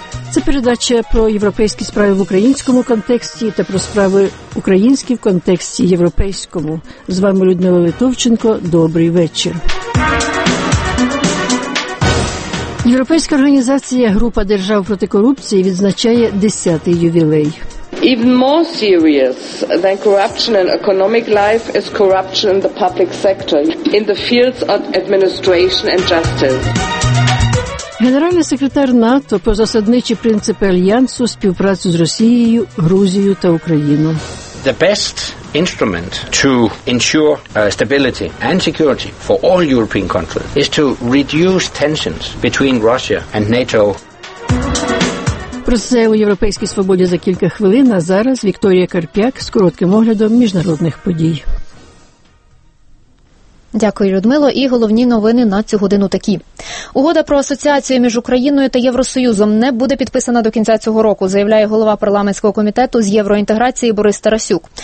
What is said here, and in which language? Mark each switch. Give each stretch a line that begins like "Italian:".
Ukrainian: Це передача про європейські справи в українському контексті та про справи українські в контексті європейському. З вами Людмила Литовченко. Добрий вечір. Європейська організація «Група держав проти корупції» відзначає 10-й ювілей.
English: Even more serious than corruption in economic life is corruption in the public sector, in the fields of administration and justice.
Ukrainian: Генеральний секретар НАТО про засадничі принципи альянсу, співпрацю з Росією, Грузією та Україною.
English: The best instrument to ensure stability and security for all European countries is to reduce tensions between Russia and NATO.
Ukrainian: Про це у європейській свободі за кілька хвилин, а зараз Вікторія Карп'як з коротким оглядом міжнародних подій. Дякую, Людмило. І головні новини на цю годину такі. Угода про асоціацію між Україною та Євросоюзом не буде підписана до кінця цього року, заявляє голова парламентського комітету з євроінтеграції Борис Тарасюк.